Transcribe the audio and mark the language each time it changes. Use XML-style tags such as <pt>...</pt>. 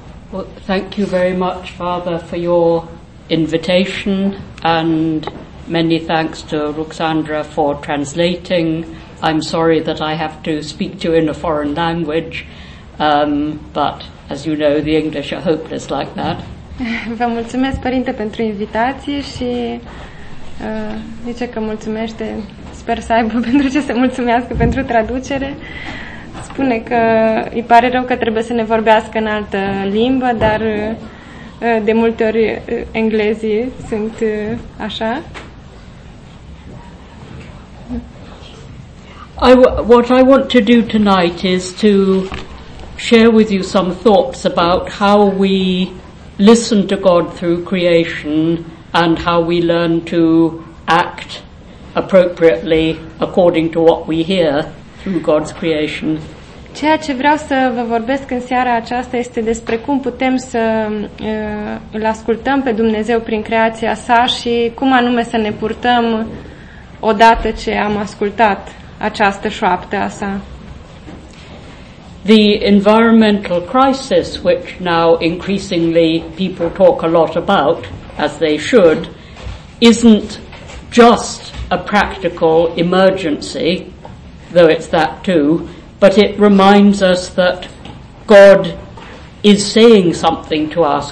<en>Well, thank you very much, Father, for your invitation, and many thanks to Ruxandra for translating. I'm sorry that I have to speak to you in a foreign language, but as you know, the English are hopeless like that.</en> <ro>Vă mulțumesc, Părinte, pentru invitație și zice că mulțumește, sper să aibă pentru ce să mulțumească pentru traducere. Spune că îi pare rău că trebuie să ne vorbească în altă limbă, dar de multe ori englezii sunt așa.</ro> <en>What I want to do tonight is to share with you some thoughts about how we listen to God through creation and how we learn to act appropriately according to what we hear through God's creation.</en> <ro>Ceea ce vreau să vă vorbesc în seara aceasta este despre cum putem să îl ascultăm pe Dumnezeu prin creația sa și cum anume să ne purtăm odată ce am ascultat această șoaptă a sa.</ro> <en>The environmental crisis, which now increasingly people talk a lot about, as they should, isn't just a practical emergency, though it's that too, but it reminds us that God is saying something to us.</en>